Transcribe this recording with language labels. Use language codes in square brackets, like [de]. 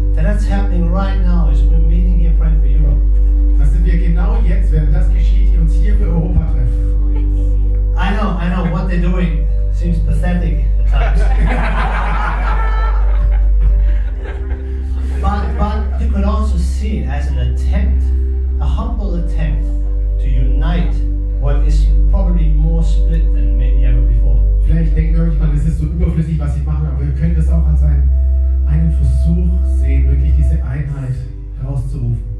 [en] That's happening right now as we're meeting here, Friend for Europe. [de] Dass wir genau jetzt, während das geschieht, uns hier für Europa treffen. [en] I know, what they're doing seems pathetic at times. But you could also see it as an attempt, a humble attempt, to unite what is probably more split than maybe ever before. [de] Vielleicht denken wir manchmal, es ist so überflüssig, was sie machen, aber wir können das auch als einen Versuch sehen, wirklich diese Einheit herauszurufen.